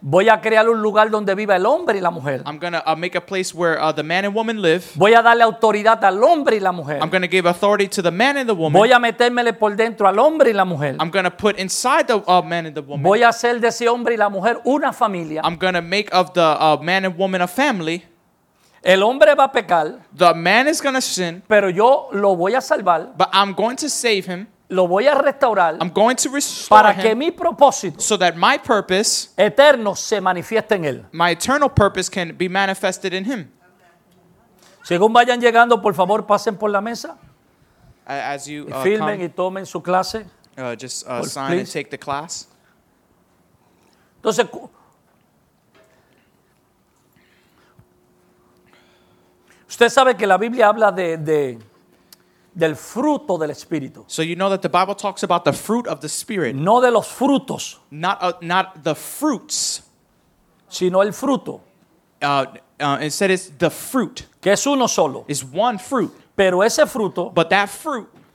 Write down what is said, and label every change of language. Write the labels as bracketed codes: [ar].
[es] Voy a crear un lugar donde viva el hombre y la mujer. [en] I'm going to make a place where the man and woman live. [es] Voy a darle autoridad al hombre y la mujer. [en] I'm going to give authority to the man and the woman. [es] Voy a metérmele por dentro al hombre y la mujer. [en] I'm going to put inside the man and the woman. [es] Voy a hacer de ese hombre y la mujer una familia. [en] I'm going to make of the man and woman a family. [es] El hombre va a pecar. [en] The man is going to sin. [es] Pero yo lo voy a salvar. [en] But I'm going to save him. [es] Lo voy a restaurar. [en] I'm going to restore [es] para [en] him [es] que mi propósito, [en] so that my purpose [es] eterno se manifieste en él. [en] My eternal purpose can be manifested in him. [es] Según vayan llegando, por favor, pasen por la mesa. [en] As you [es] y filmen [en] come, [es] y tomen su clase. [en] Just sign please and take the class. [es] Entonces, usted sabe que la Biblia habla del fruto del Espíritu. [en] So you know that the Bible talks about the fruit of the Spirit. [es] No de los frutos. [en] Not the fruits. [es] Sino el fruto. [en] Instead it's the fruit. [es] Que es uno solo. [en] It's one fruit. [es] Pero ese fruto. [en] But that fruit.